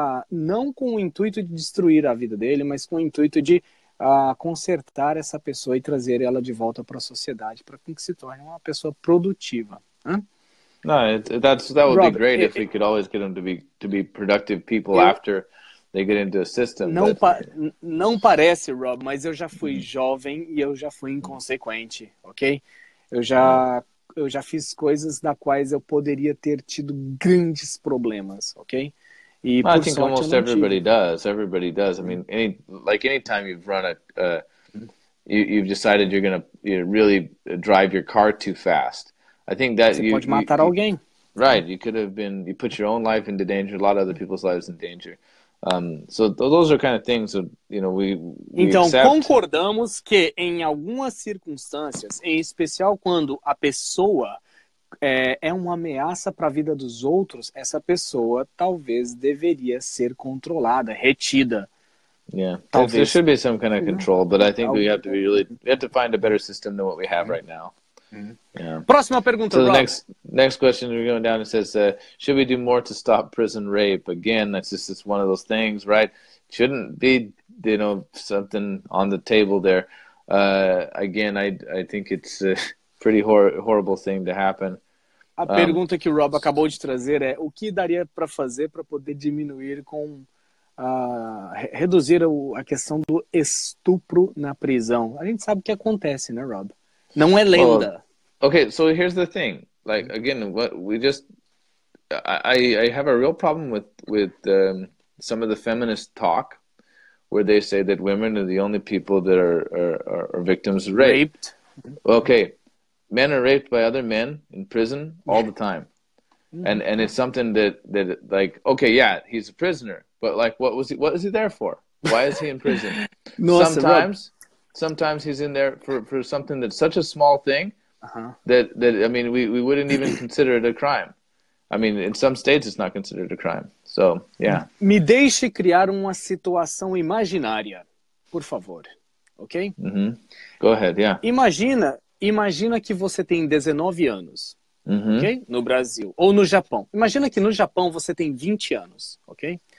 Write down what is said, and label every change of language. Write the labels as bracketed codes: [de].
[pt] Não com o intuito de destruir a vida dele, mas com o intuito de consertar essa pessoa e trazer ela de volta para a sociedade, para que se torne uma pessoa produtiva. [en] That would Robert, be great if we could always get them to be productive people after they get into a system. [pt] Não parece, Rob, mas eu já fui jovem e eu já fui inconsequente, ok? Eu já fiz coisas na quais eu poderia ter tido grandes problemas, ok? [en] I think almost everybody does. Everybody does. I mean, anytime you've run a, you've decided you're going to really drive your car too fast. I think that [pt] you pode matar alguém. [en] Right. You could have been, you put your own life into danger, a lot of other people's lives in danger. So those are kind of things that, you know, we [pt] então, [en] accept. [pt] Concordamos que em algumas circunstâncias, em especial quando a pessoa é uma ameaça para a vida dos outros, essa pessoa talvez deveria ser controlada, retida. Yeah, talvez. [en] There should be some kind of control, but I think we have to be really, we have to find a better system than what we have right now. [pt] Yeah. Próxima pergunta, [en] so the next question we're going down, it says, should we do more to stop prison rape? Again, that's just it's one of those things, right? Shouldn't be, you know, something on the table there. Again, I think it's a pretty horrible thing to happen. [pt] A pergunta que o Rob acabou de trazer é, o que daria para fazer para poder diminuir com reduzir a questão do estupro na prisão? A gente sabe o que acontece, né, Rob? Não é lenda. Well, [en] okay, so here's the thing. Like, again, what we just, I have a real problem with some of the feminist talk, where they say that women are the only people that are victims of rape. Raped. Okay, men are raped by other men in prison all the time, and it's something that like, okay, yeah, he's a prisoner, but like, what was he there for? Why is he in prison? Sometimes he's in there for something that's such a small thing that I mean, we wouldn't even consider it a crime. I mean, in some states it's not considered a crime. So, yeah. [pt] Me deixe criar uma situação imaginária, por favor. Ok? [en] Mm-hmm. Go ahead, yeah. [pt] Imagina que você tem 19 anos, mm-hmm. ok? No Brasil, ou no Japão. Imagina que no Japão você tem 20 anos, ok?